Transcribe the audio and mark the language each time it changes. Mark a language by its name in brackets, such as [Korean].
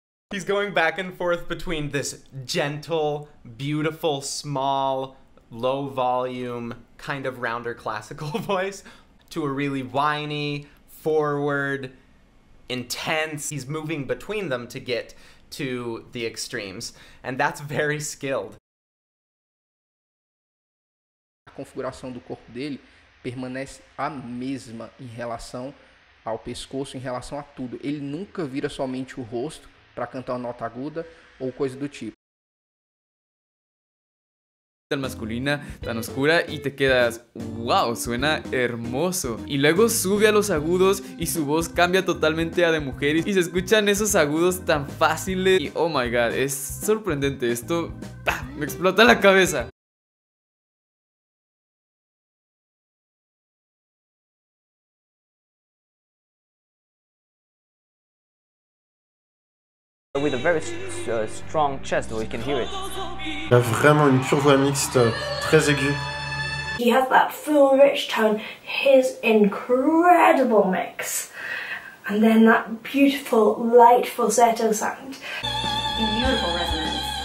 [English] He's going back and forth between this gentle, beautiful, small, low volume, kind of rounder classical voice to a really whiny, forward, intense. He's moving between them to get to the extremes, and that's very skilled. [Portuguese] A configuração do corpo dele permanece a mesma em relação ao pescoço, em relação a tudo. Ele nunca vira somente o rosto para cantar uma nota aguda ou coisa do tipo. [Spanish] Masculina tan oscura y te quedas wow, suena hermoso, y luego sube a los agudos y su voz cambia totalmente a de mujer y se escuchan esos agudos tan fáciles y [English] oh my god, [Spanish] es sorprendente esto, ¡pah! Me explota la cabeza. [English] With a very strong chest, we can hear it. [French] Il a vraiment une pure voix mixte, très aiguë. [English] He has that full rich tone, his incredible mix. And then that beautiful light falsetto sound. Beautiful resonance.